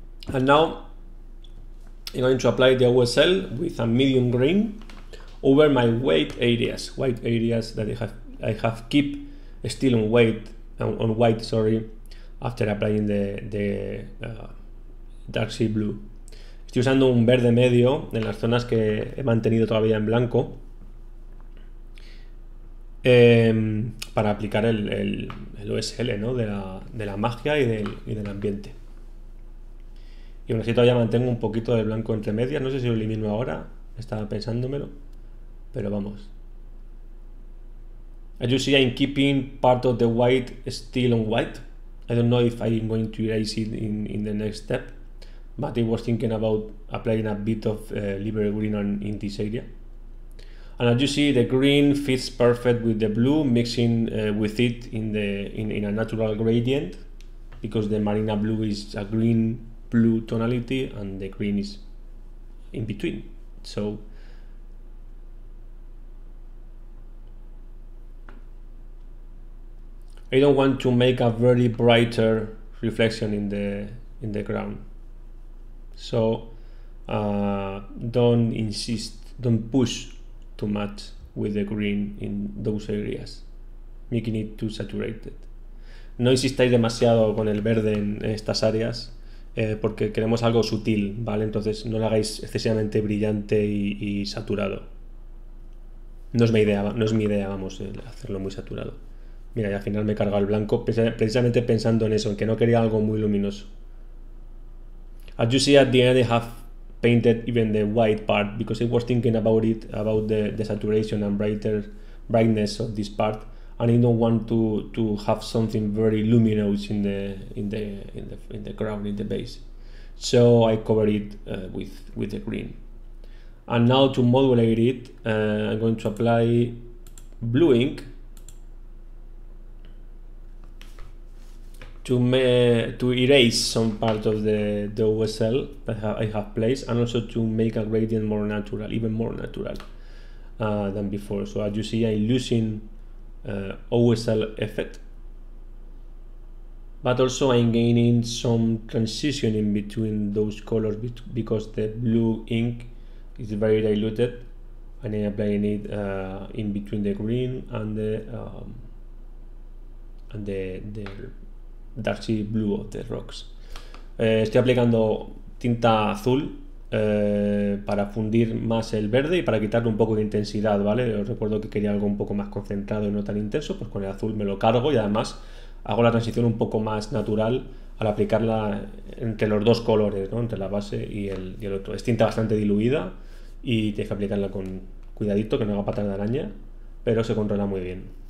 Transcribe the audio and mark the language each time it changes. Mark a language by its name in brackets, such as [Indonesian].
[English] And now I'm going to apply the OSL with a medium green over my white areas that I have keep still on white, after applying the dark sea blue. [Spanish] Estoy usando un verde medio en las zonas que he mantenido todavía en blanco para aplicar el OSL, ¿no? de la magia y del ambiente. Y aún así todavía mantengo un poquito de blanco entre medias. No sé si lo elimino ahora, estaba pensándomelo, pero vamos. [English] As you see, I'm keeping part of the white still on white. I don't know if I'm going to erase it in the next step, but I was thinking about applying a bit of liberal green in this area. And as you see, the green fits perfect with the blue, mixing with it in a natural gradient, because the marina blue is a green blue tonality and the green is in between. So I don't want to make a very brighter reflection in the ground. So don't push too much with the green in those areas, making it too saturated. [Spanish] No insistáis demasiado con el verde en estas áreas, porque queremos algo sutil, ¿vale? Entonces no lo hagáis excesivamente brillante y saturado. No es mi idea, hacerlo muy saturado. Mira, y al final me he cargado el blanco precisamente pensando en eso, en que no quería algo muy luminoso. [English] As you see, at the end I have painted even the white part because I was thinking about it, about the saturation and brightness of this part, and I don't want to have something very luminous in the ground, in the base. So I covered it with the green. And now to modulate it, I'm going to apply blue ink to erase some part of the OSL that I have placed, and also to make a gradient more natural, even more natural than before. So as you see, I'm losing OSL effect, but also I'm gaining some transition in between those colors because the blue ink is very diluted, and I'm applying it in between the green and the dark sea blue of the rocks. [Spanish] Estoy aplicando tinta azul para fundir más el verde y para quitarle un poco de intensidad, ¿vale? Os recuerdo que quería algo un poco más concentrado y no tan intenso, pues con el azul me lo cargo y además hago la transición un poco más natural al aplicarla entre los dos colores, ¿no? Entre la base y el otro. Es tinta bastante diluida y tienes que aplicarla con cuidadito, que no haga patas de araña, pero se controla muy bien.